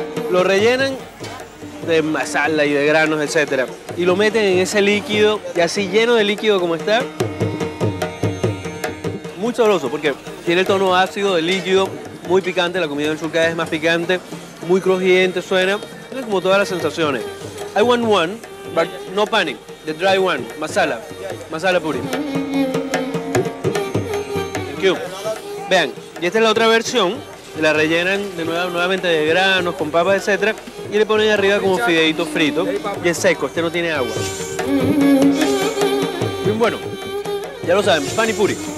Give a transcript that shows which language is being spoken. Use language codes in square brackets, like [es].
[es] Lo rellenan de masala y de granos, etcétera, y lo meten en ese líquido, y así lleno de líquido como está. Muy sabroso porque tiene el tono ácido del líquido, muy picante, la comida del sur cada vez más picante, muy crujiente suena, tiene como todas las sensaciones. [en] I want one, but no panic, the dry one, masala, masala puri. Thank you. [es] Vean, y esta es la otra versión, la rellenan de nuevo, nuevamente de granos, con papas, etcétera, y le ponen arriba como fideito frito, y es seco, este no tiene agua. Bien bueno, ya lo saben, Pani Puri.